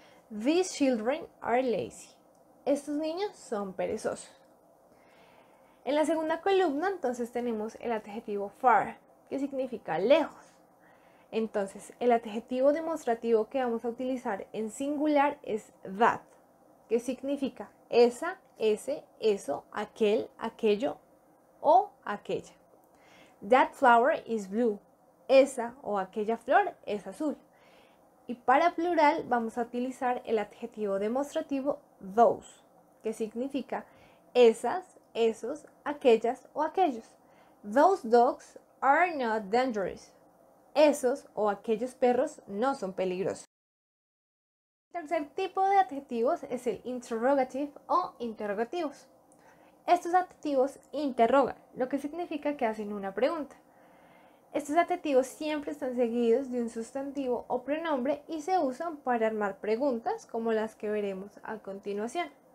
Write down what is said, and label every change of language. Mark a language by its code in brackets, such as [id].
[en] These children are lazy. [es] Estos niños son perezosos. En la segunda columna entonces tenemos el adjetivo far, que significa lejos. Entonces el adjetivo demostrativo que vamos a utilizar en singular es that, que significa esa, ese, eso, aquel, aquello o aquella. [en] That flower is blue. [es] Esa o aquella flor es azul. Y para plural vamos a utilizar el adjetivo demostrativo those, que significa esas, esos, aquellas o aquellos. [en] Those dogs are not dangerous. [es] Esos o aquellos perros no son peligrosos. El tercer tipo de adjetivos es el interrogative o interrogativos. Estos adjetivos interrogan, lo que significa que hacen una pregunta. Estos adjetivos siempre están seguidos de un sustantivo o pronombre y se usan para armar preguntas como las que veremos a continuación.